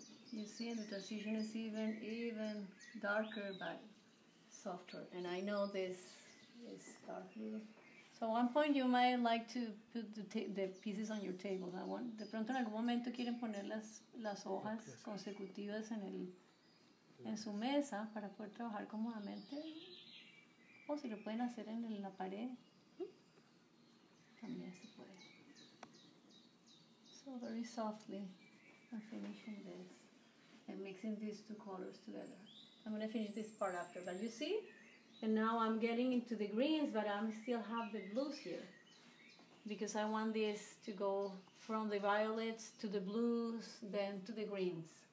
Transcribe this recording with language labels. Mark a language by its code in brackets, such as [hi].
[en] You see, and the transition is even darker, but softer. And I know this is dark blue. So at one point you might like to put the pieces on your table. [es] De pronto en algún momento quieren poner las hojas consecutivas en su mesa para poder trabajar cómodamente, o si lo pueden hacer en la pared también se puede. [en] So very softly I'm finishing this and mixing these two colors together. I'm going to finish this part after, but you see, and now I'm getting into the greens, but I still have the blues here because I want this to go from the violets to the blues then to the greens.